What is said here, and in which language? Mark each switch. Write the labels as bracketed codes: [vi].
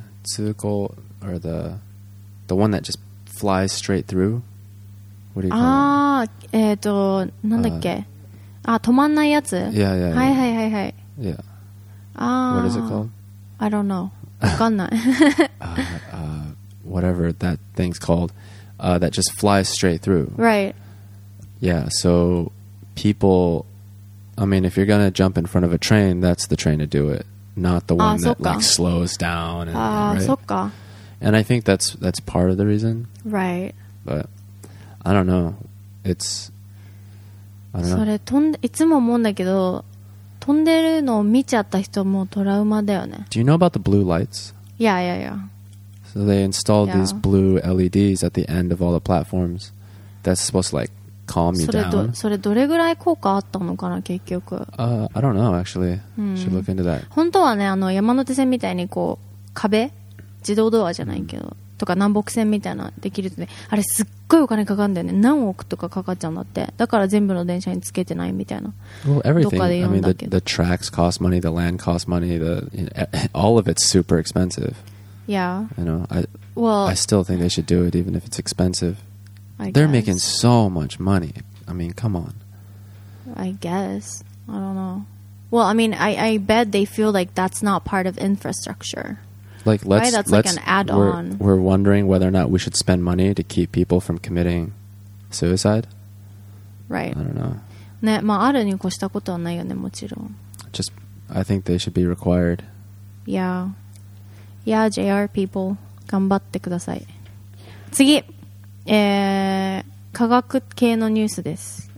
[en] 通行 or the one that just flies straight through. [ja] なんだっけ止まんないやつ [en] yeah. [ja] はい [en] yeah. What is it called? I don't know [ja] わかんない [en] whatever that thing's called that just flies straight through Right Yeah, so people I mean, if you're gonna jump in front of a train that's the train to do it not the one that like slows down [ja] そっか [en] And I think that's part of the reason Right ButI don't know. It's. I don't know. [ja] それ飛んでいつも思うんだけど、飛んでるのを見ちゃった人もトラウマだよね。 [en] Do you know about the blue lights? Yeah, yeah, yeah. So they installed these blue LEDs at the end of all the platforms. That's supposed to like calm you down. [ja] それどれぐらい効果あったのかな結局。 [en] I don't know actually. Should look into that. [ja] 本当はね、あの山手線みたいにこう壁、自動ドアじゃないけど、とか南北線みたいなできるとね、あれすっごいお金かかるんだよね。何億とかかかっちゃうんだって。だから全部の電車につけてないみたいな。 [en] Well, everything. I mean, the tracks cost money, the land cost money, the, you know, all of it's super expensive. Yeah. You know, I still think they should do it even if it's expensive. They're making so much money. I mean, come on. I guess. I don't know. Well, I mean, I bet they feel like that's not part of infrastructure. Like, let's, right, that's let's, like an add-on. We're wondering whether or not we should spend money to keep people from committing suicide. Right. I don't know. [ja] ね、まあ、あるに越したことはないよね、もちろん。 [en] Just, I think they should be required. Yeah. Yeah, JR people, [ja] 頑張ってください。次、科学系のニュースです。